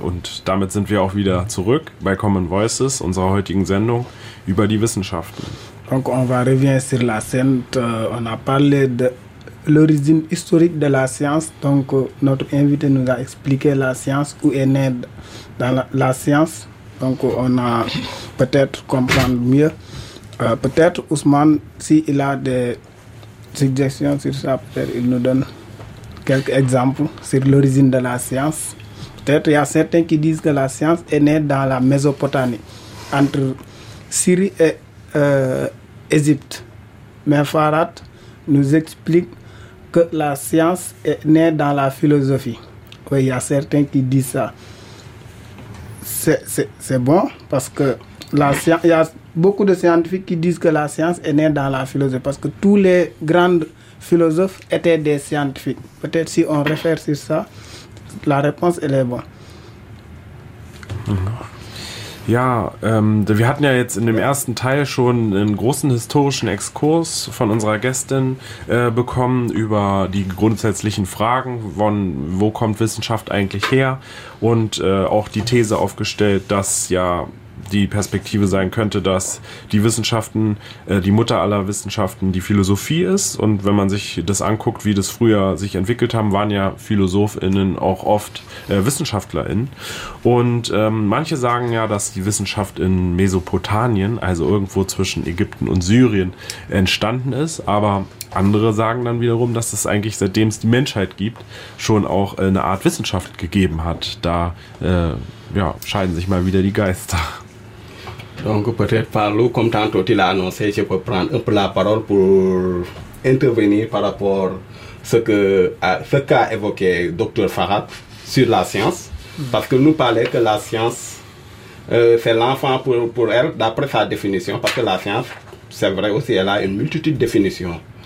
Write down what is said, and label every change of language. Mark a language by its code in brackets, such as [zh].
[de] Und damit sind wir auch wieder zurück bei Common Voices, unserer heutigen Sendung über die Wissenschaften. [fr] Donc on va revenir sur la scène. On a parlé de l'origine historique de la science. Donc notre invité nous a expliqué la science, où est née dans la science. Donc on a peut-être comprendre mieux. Peut-être Ousmane, s'il a des suggestions sur ça, peut-être il nous donne quelques exemples sur l'origine de la science. Peut-être il y a certains qui disent que la science est née dans la Mésopotamie, entre Syrie et Égypte. Mais Farhat nous explique que la science est née dans la philosophie. Oui, il y a certains qui disent ça. C'est bon parce que la science, il y a beaucoup de scientifiques qui disent que la science est née dans la philosophie parce que tous les grands philosophes étaient des scientifiques. Peut-être si on réfère sur ça, la réponse elle est bonne. [de] Ja, wir hatten ja jetzt in dem ersten Teil schon einen großen historischen Exkurs von unserer Gästin bekommen über die grundsätzlichen Fragen, wo kommt Wissenschaft eigentlich her, und auch die These aufgestellt, dass ja die Perspektive sein könnte, dass die Wissenschaften, die Mutter aller Wissenschaften, die Philosophie ist. Und wenn man sich das anguckt, wie das früher sich entwickelt haben, waren ja PhilosophInnen auch oft WissenschaftlerInnen. Und manche sagen ja, dass die Wissenschaft in Mesopotamien, also irgendwo zwischen Ägypten und Syrien, entstanden ist. Aber andere sagen dann wiederum, dass es eigentlich, seitdem es die Menschheit gibt, schon auch eine Art Wissenschaft gegeben hat. Da scheiden sich mal wieder die Geister. [fr] Donc peut-être Farlou, comme tantôt il a annoncé, je peux prendre un peu la parole pour intervenir par rapport à ce qu'a évoqué Dr Farhat sur la science. Parce qu'il nous parlait que la science, c'est l'enfant pour elle, d'après sa définition, parce que la science, c'est vrai aussi, elle a une multitude de définitions.